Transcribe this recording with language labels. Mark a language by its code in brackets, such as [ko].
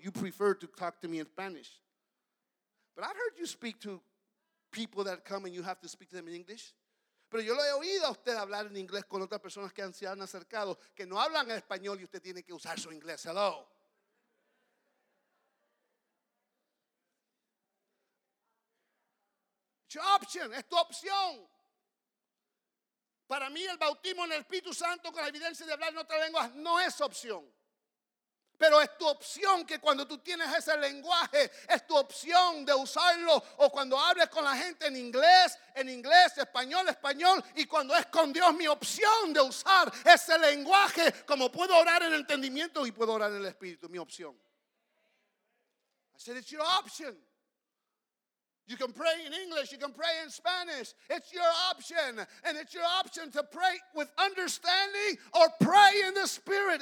[en] You prefer to talk to me in Spanish. But I've heard you speak to people that come and you have to speak to them in English. [es] Pero yo lo he oído a usted hablar en inglés con otras personas que se han acercado, que no hablan español y usted tiene que usar su inglés. Hello. [en] It's your option. [es] Es tu opción. Para mí el bautismo en el Espíritu Santo con la evidencia de hablar en otra lengua no es opción. Pero es tu opción que cuando tú tienes ese lenguaje, es tu opción de usarlo. O cuando hables con la gente en inglés, español, español. Y cuando es con Dios, mi opción de usar ese lenguaje. Como puedo orar en entendimiento y puedo orar en el Espíritu, mi opción. [en] I said, it's your option. You can pray in English, you can pray in Spanish. It's your option. And it's your option to pray with understanding or pray in the Spirit.